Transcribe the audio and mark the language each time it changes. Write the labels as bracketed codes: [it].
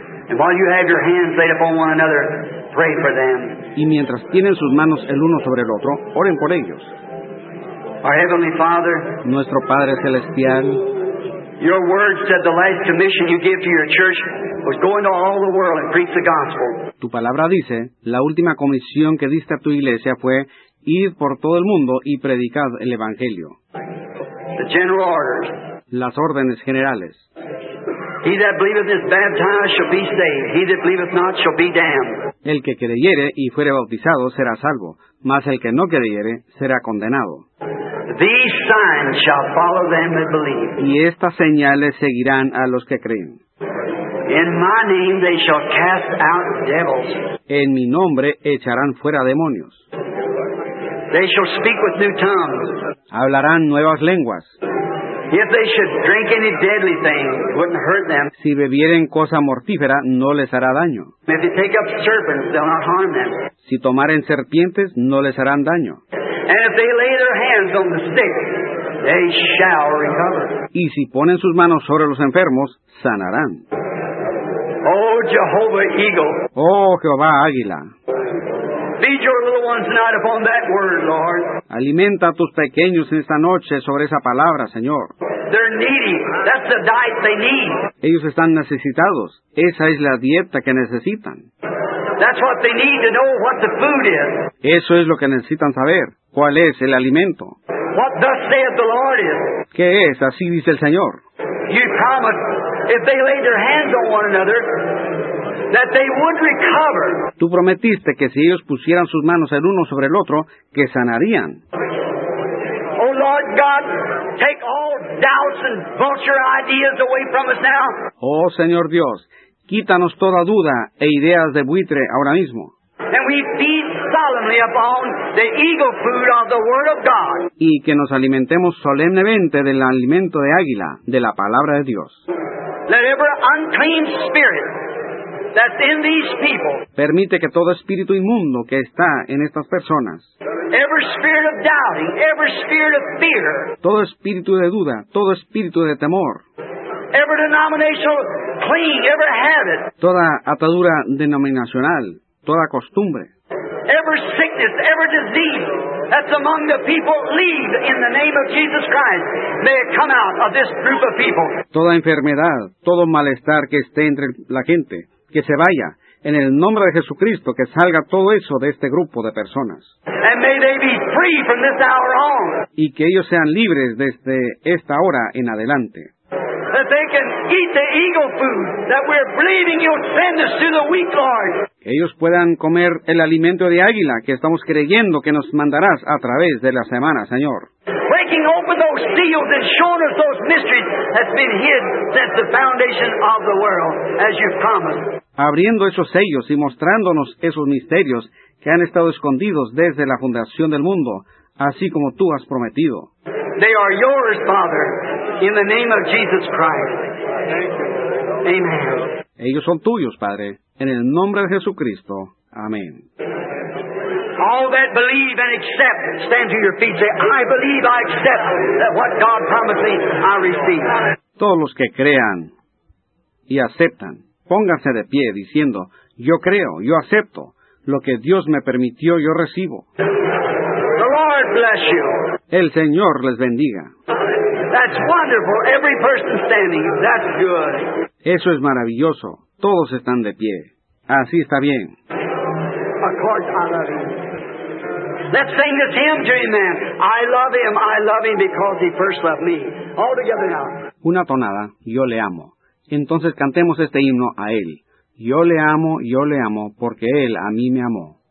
[en] And while you have your hands laid upon one another, pray for them. [es] Y mientras tienen sus manos el uno sobre el otro, oren por ellos. [en] Our heavenly Father. [es] Nuestro Padre celestial. [en] Your word said the last commission you gave to your church was go into all the world and preach the gospel. [es] Tu palabra dice, la última comisión que diste a tu iglesia fue ir por todo el mundo y predicar el evangelio. [en] The general orders. [es] Las órdenes generales. [en] He that believeth is baptized shall be saved. He that believeth not shall be damned. [es] El que creyere y fuere bautizado será salvo, mas el que no creyere será condenado. [en] These signs shall follow them that believe. [es] Y estas señales seguirán a los que creen. [en] In my name they shall cast out devils. [es] En mi nombre echarán fuera demonios. [en] They shall speak with new tongues. [es] Hablarán nuevas lenguas. [en] If they should drink any deadly thing, it wouldn't hurt them. [es] Si bebieren cosa mortífera, no les hará daño. [en] If they take up serpents, they'll not harm them. [es] Si tomaren serpientes, no les harán daño. [en] And if they lay their hands on the sick, they shall recover. [es] Y si ponen sus manos sobre los enfermos, sanarán. [en] Oh, Jehovah Eagle. [es] Oh, Jehová Águila. [en] Feed your little ones tonight upon that word, Lord. [es] Alimenta a tus pequeños en esta noche sobre esa palabra, Señor. [en] They're needy. That's the diet they need. [es] Ellos están necesitados. Esa es la dieta que necesitan. [en] That's what they need to know what the food is. [es] Eso es lo que necesitan saber. ¿Cuál es el alimento? [en] What thus saith the Lord is. [es] ¿Qué es? Así dice el Señor. [en] You promised if they laid their hands on one another that they would recover. [es] Tú prometiste que si ellos pusieran sus manos el uno sobre el otro, que sanarían. [en] Oh Lord God, take all doubts and vulture ideas away from us now. [es] Oh Señor Dios, quítanos toda duda e ideas de buitre ahora mismo. [en] And we feed solemnly upon the eagle food of the Word of God. [es] Y que nos alimentemos solemnemente del alimento de águila, de la palabra de Dios. [en] Let every unclean spirit that's in these people. [es] Permite que todo espíritu inmundo que está en estas personas. [en] Every spirit of doubting, every spirit of fear. [es] Todo espíritu de duda, todo espíritu de temor. [en] Every denominational cling, every habit. [es] Toda atadura denominacional, toda costumbre. [en] Every sickness, every disease that's among the people, leave in the name of Jesus Christ. May it come out of this group of people. [es] Toda enfermedad, todo malestar que esté entre la gente. Que se vaya, en el nombre de Jesucristo, que salga todo eso de este grupo de personas. [en] And may they be free from this hour on. [es] Y que ellos sean libres desde esta hora en adelante. [en] That they can eat the eagle food that we're believing you'll send us through the week, Lord. [es] que ellos puedan comer el alimento de águila que estamos creyendo que nos mandarás a través de la semana, Señor. [en] Breaking open those seals and showing us those mysteries that's been hid since the foundation of the world, as you promised. [es] Abriendo esos sellos y mostrándonos esos misterios que han estado escondidos desde la fundación del mundo, así como tú has prometido. [en] They are yours, Father, in the name of Jesus Christ. Amen. [es] Ellos son tuyos, Padre, en el nombre de Jesucristo. Amén. [en] All that believe and accept, stand to your feet, say, I believe, I accept that what God promised me, I receive. [es] Todos los que crean y aceptan, pónganse de pie diciendo, yo creo, yo acepto, lo que Dios me permitió, yo recibo. [en] The Lord bless you. [es] El Señor les bendiga. [en] That's wonderful. Every person standing, that's good. [es] Eso es maravilloso. Todos están de pie. Así está bien. [en] Of course I love him. Let's sing this hymn to him, man. I love him because he first loved me. All together now. [es] Una tonada, yo le amo. Entonces cantemos este himno a él. Yo le amo, porque él a mí me amó.